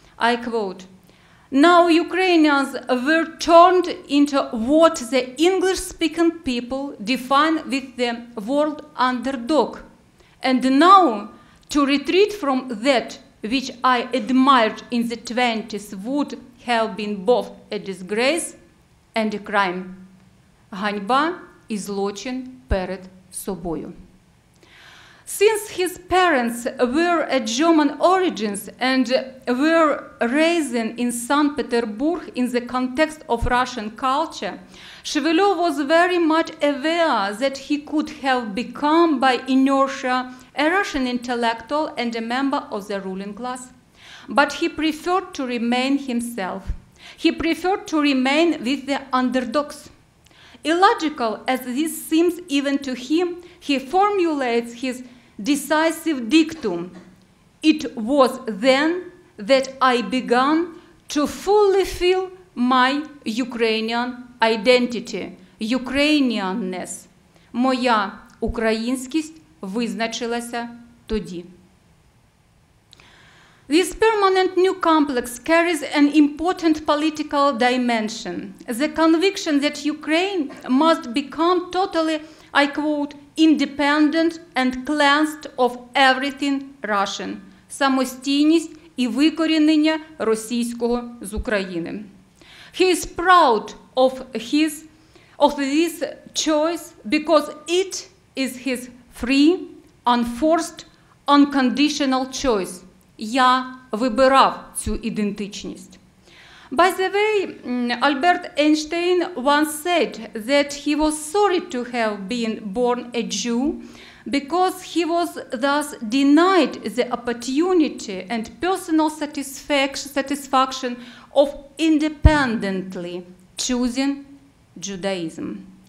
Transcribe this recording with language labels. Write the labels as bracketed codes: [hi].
[en] I quote, "Now Ukrainians were turned into what the English-speaking people define with the word underdog. And now, to retreat from that which I admired in the 20s would have been both a disgrace and a crime. [uk] Ганьба і злочин перед собою." [en] Since his parents were of German origins and were raised in St. Petersburg in the context of Russian culture, Shevelov was very much aware that he could have become, by inertia, a Russian intellectual and a member of the ruling class. But he preferred to remain himself. He preferred to remain with the underdogs. Illogical as this seems even to him, he formulates his decisive dictum: "It was then that I began to fully feel my Ukrainian identity, Ukrainianness. [uk] Моя українськість визначилася тоді." [en] This permanent new complex carries an important political dimension: the conviction that Ukraine must become totally, I quote, "independent and cleansed of everything Russian." [uk] Самостійність і викорінення російського з України. [en] He is proud of this choice because it is his free, unforced, unconditional choice. [uk] Я вибирав цю ідентичність. [en] By the way, Albert Einstein once said that he was sorry to have been born a Jew because he was thus denied the opportunity and personal satisfaction of independently choosing Judaism.